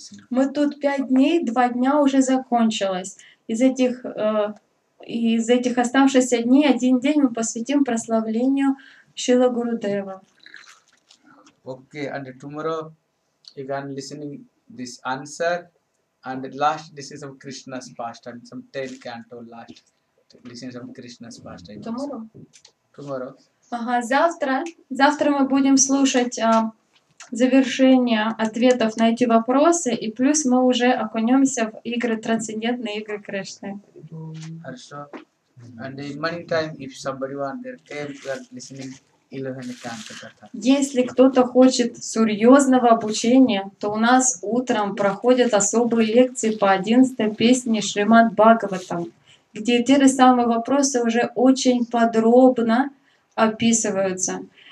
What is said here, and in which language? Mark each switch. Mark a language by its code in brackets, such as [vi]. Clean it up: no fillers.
[ru] Мы тут 5 дней, 2 дня уже закончилось. Из этих оставшихся дней один день мы посвятим прославлению Шрила Гурудева. [en] Okay, and tomorrow you can listening this answer and last this is of Krishna's pastime, some 10 canto last listen some Krishna's pastime. Tomorrow. [ru] Ага, завтра мы будем слушать завершение ответов на эти вопросы, и плюс мы уже окунемся в игры трансцендентные игры Кришны. Хорошо. [en] And in morning time, if somebody want their camp, they are listening 11 canto katha. [ru] Если кто-то хочет серьезного обучения, то у нас утром проходят особые лекции по 11 песне Шримад Бхагаватам, где те же самые вопросы уже очень подробно описываются.